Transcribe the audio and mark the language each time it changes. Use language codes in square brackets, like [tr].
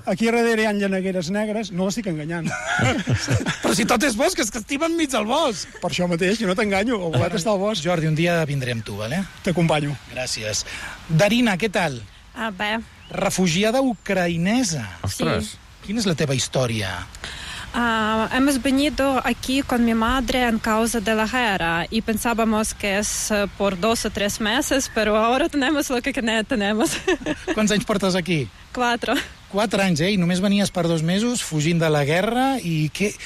[ca] Aquí darrere hi ha llenegueres negres... No l'estic enganyant. Però si tot és bosc, és que estima enmig del bosc. Per això mateix, jo no t'enganyo, el volat està al bosc. Jordi, un dia vindré amb tu, vale? T'acompanyo. Gràcies. Darina, què tal? Bé. Refugiada ucraïnesa. Ostres. Sí. Quina és la teva història? [es] Hemos venido aquí con mi madre en causa de la guerra y pensábamos que es por 2 o 3 meses, pero ahora tenemos lo que tenemos. [ca] Quants anys portes aquí? 4. 4 anys, eh? I només venies per 2 mesos fugint de la guerra i què...